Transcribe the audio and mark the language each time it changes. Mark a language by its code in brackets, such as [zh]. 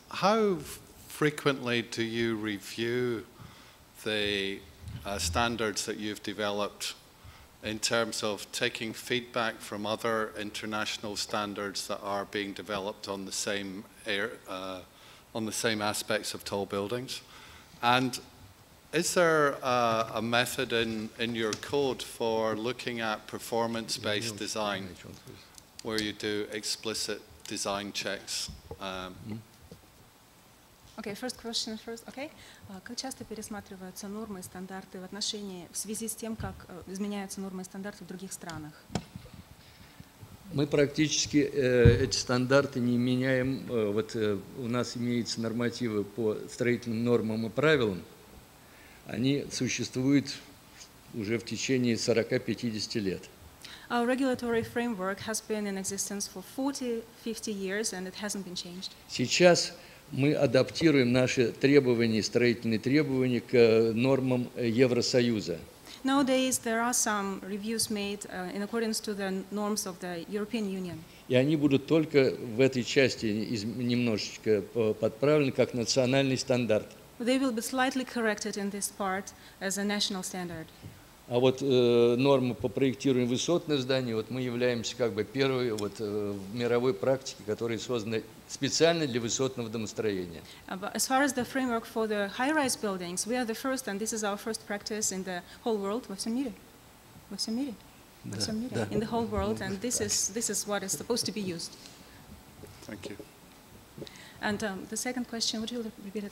[en] How frequently do you review the standards that you've developed in terms of taking feedback from other international standards that are being developed on the same on the same aspects of tall buildings? And is there a method in your code for looking at performance-based design, where you do explicit design checks? Okay, first question first. Okay. [ru] Как часто пересматриваются нормы и стандарты в связи с тем, как изменяются нормы и стандарты в других странах? Мы практически эти стандарты не меняем. Вот у нас имеются нормативы по строительным нормам и правилам. Они существуют уже в течение 40-50 лет. [en] Our regulatory framework has been in existence for 40-50 years and it hasn't been changed. [ru] Сейчас мы адаптируем наши требования, строительные требования к нормам Евросоюза. [en] Nowadays there are some reviews made in accordance to the norms of the European Union. [ru] И они будут только в этой части немножечко подправлены как национальный стандарт. [en] They will be slightly corrected in this part as a national standard. [ru] А вот нормы по проектированию высотных зданий, вот мы являемся как бы первой вот в мировой практике, которая создана специально для высотного домостроения. [en] As far as the framework for the high-rise buildings, we are the first, and this is our first practice in the whole world, [ru] во всем мире, [en] in the whole world, and this is what is supposed to be used. Thank you. And the second question, would you repeat it,